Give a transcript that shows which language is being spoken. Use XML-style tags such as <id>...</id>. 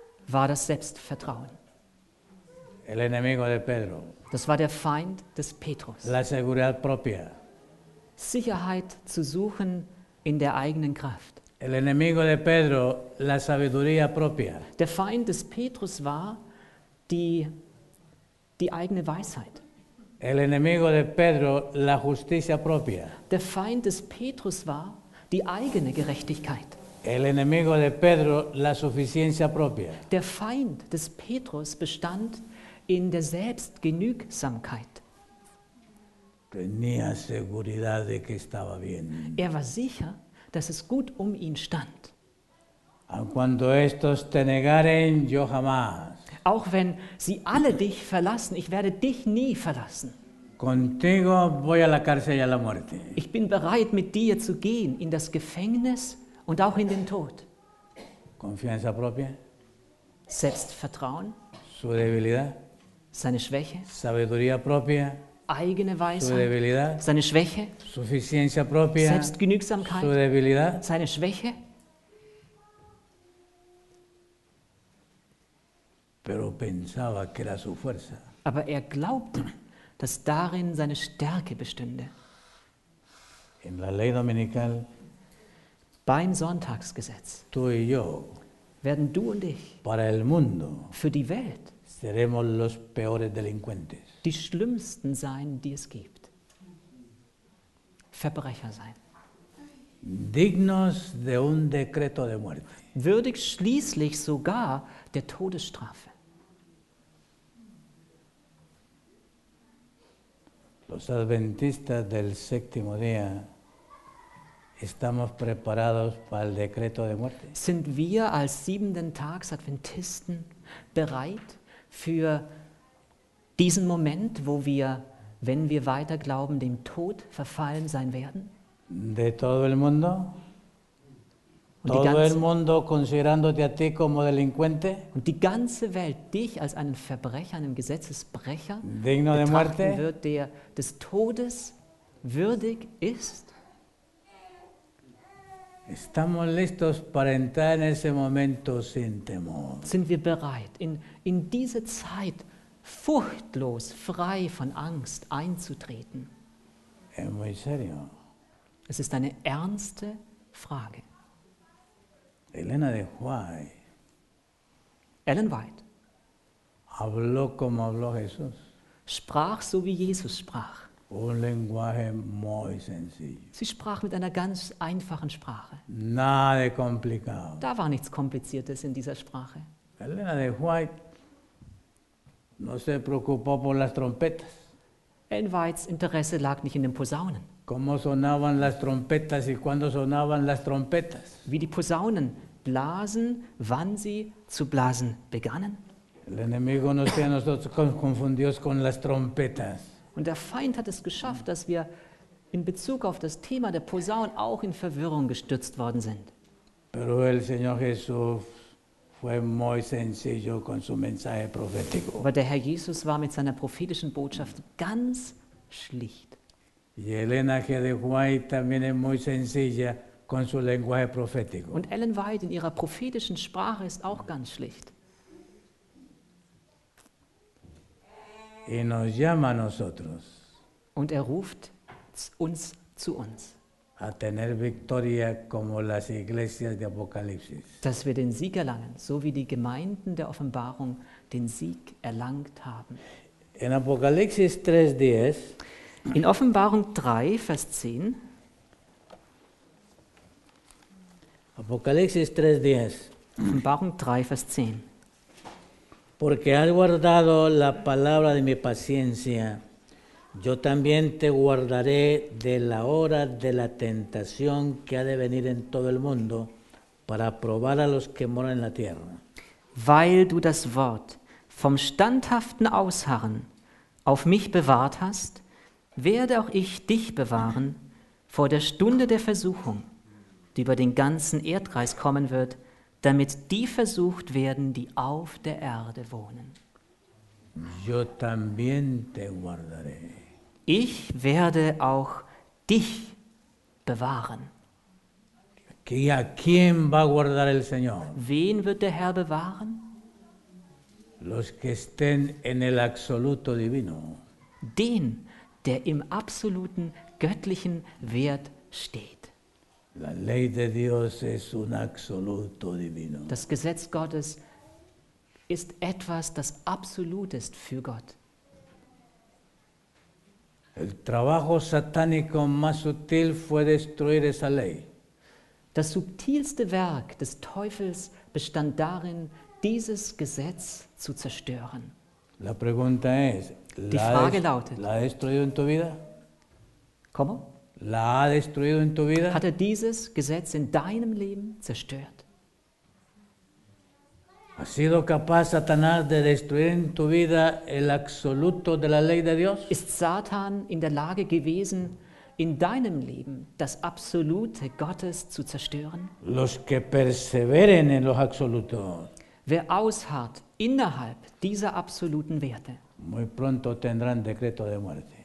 <de>War das Selbstvertrauen.</de> <es>El enemigo de Pedro.</es> <de>Das war der Feind des Petrus.</de> <es>La seguridad propia.</es> <de>Sicherheit zu suchen in der eigenen Kraft.</de> <es>El enemigo de Pedro, la sabiduría propia.</es> <de>Der Feind des Petrus war die eigene Weisheit.</de> <es>El enemigo de Pedro, la justicia propia.</es> <de>Der Feind des Petrus war die eigene Gerechtigkeit.</de> <es>El enemigo de Pedro, la suficiencia propia.</es> <de>Der Feind des Petrus bestand in der Selbstgenügsamkeit.</de> <es>Tenía seguridad de que estaba bien.</es> <de>Er war sicher, dass es gut um ihn stand.</de> <es>Aun cuando estos te negaren, yo jamás.</es> <de>Auch wenn sie alle dich verlassen, ich werde dich nie verlassen.</de> <es>Contigo voy a la cárcel y a la muerte.</es> <de>Ich bin bereit, mit dir zu gehen, in das Gefängnis und auch in den Tod.</de> <es>Confianza propia.</es> <de>Selbstvertrauen.</de> <es>Su debilidad.</es> <de>Seine Schwäche.</de> <es>Sabiduría propia.</es> <de>Eigene Weisheit.</de> <es>Su debilidad.</es> <de>Seine Schwäche.</de> <es>Suficiencia propia.</es> <de>Selbstgenügsamkeit.</de> <es>Su debilidad.</es> <de>Seine Schwäche.</de> <es>Pero pensaba que era su fuerza.</es> <de>Aber er glaubte, dass darin seine Stärke bestünde.</de> <es>En la ley dominical,</es> <de>beim Sonntagsgesetz,</de> <es>tú y yo,</es> <de>werden du und ich,</de> <es>para el mundo,</es> <de>für die Welt,</de> <es>seremos los peores delincuentes.</es> <de>Die schlimmsten sein, die es gibt. Verbrecher sein.</de> <es>Dignos de un decreto de muerte.</es> <de>Würdig schließlich sogar der Todesstrafe.</de> <es>Los adventistas del séptimo día estamos preparados para el decreto de muerte.</es> <de>Sind wir als siebenten Tags Adventisten bereit für diesen Moment, wo wir, wenn wir weiter glauben, dem Tod verfallen sein werden?</de> <es>De todo el mundo? Todo el mundo considerándote a ti como delincuente?</es> <de>Und die ganze Welt dich als einen Verbrecher, einen Gesetzesbrecher</de> <es>digno de muerte,</es> <de>wird, der des Todes würdig ist?</de> <es>Estamos listos para entrar en ese momento sin temor.</es> <de>Sind wir bereit, in diese Zeit furchtlos, frei von Angst einzutreten?</de> <es>Es muy serio.</es> <de>Es ist eine ernste Frage.</de> <es>Elena de White.</es> <de>Ellen White.</de> <es>Habló como habló Jesús.</es> <de>Sprach so wie Jesus sprach.</de> <es>Un lenguaje muy sencillo.</es> <de>Sie sprach mit einer ganz einfachen Sprache.</de> <es>Nada complicado.</es> <de>Da war nichts Kompliziertes in dieser Sprache.</de> <es>Elena de White no se preocupó por las trompetas.</es> <de>Ellen Whites Interesse lag nicht in den Posaunen.</de> <es>Cómo sonaban las trompetas y cuándo sonaban las trompetas.</es> <de>Wie die Posaunen blasen, wann sie zu blasen begannen.</de> <es>El enemigo nos tiene a nosotros confundidos con las trompetas.</es> <de>Und der Feind hat es geschafft, dass wir in Bezug auf das Thema der Posaunen auch in Verwirrung gestürzt worden sind.</de> <es>Pero el Señor Jesús fue muy sencillo con su mensaje profético.</es> <de>Aber der Herr Jesus war mit seiner prophetischen Botschaft ganz schlicht.</de> <es>Y Elena G. de White también es muy sencilla con su lenguaje profético.</es> <de>Und Ellen White in ihrer prophetischen Sprache ist auch ganz schlicht.</de> <es>Y nos llama a nosotros.</es> <de>Und er ruft uns zu uns.</de> <es>A tener victoria como las iglesias de Apocalipsis.</es> <de>Dass wir den Sieg erlangen, so wie die Gemeinden der Offenbarung den Sieg erlangt haben.</de> <es>In Apocalipsis 3:10.</es> <de>In Offenbarung 3, Vers 10.</de> <es>Apocalipsis 3:10.</es> <de>Offenbarung 3, Vers 10.</de> <es>Porque has guardado la palabra de mi paciencia, yo también te guardaré de la hora de la tentación que ha de venir en todo el mundo para probar a los que moran en la tierra.</es> <de>Weil du das Wort vom standhaften Ausharren auf mich bewahrt hast, werde auch ich dich bewahren vor der Stunde der Versuchung, die über den ganzen Erdkreis kommen wird, damit die versucht werden, die auf der Erde wohnen.</de> <es>Yo también te guardaré.</es> <de>Ich werde auch dich bewahren.</de> <es>¿A quién va a guardar el Señor?</es> <de>Wen wird der Herr bewahren?</de> <es>Los que estén en el absoluto divino.</es> <de>Den, der im absoluten göttlichen Wert steht.</de> <es>La ley de Dios es un absoluto divino.</es> <de>Das Gesetz Gottes ist etwas, das absolut ist für Gott.</de> <es>El trabajo satánico más sutil fue destruir esa ley.</es> <de>Das subtilste Werk des Teufels bestand darin, dieses Gesetz zu zerstören.</de> <es>La pregunta es,</es> <de>die Frage lautet,</de> <es>¿la ha destruido en tu vida? ¿Cómo? ¿La ha destruido en tu vida?</es> <de>Hat er dieses Gesetz in deinem Leben zerstört?</de> <es>¿Ha sido capaz Satanás de destruir en tu vida el absoluto de la ley de Dios?</es> <de>Ist Satan in der Lage gewesen, in deinem Leben das Absolute Gottes zu zerstören?</de> <es>Los que perseveren en los absolutos.</es> <de>Wer ausharrt innerhalb dieser absoluten Werte,</de> <es>muy pronto tendrán decreto de muerte.</es>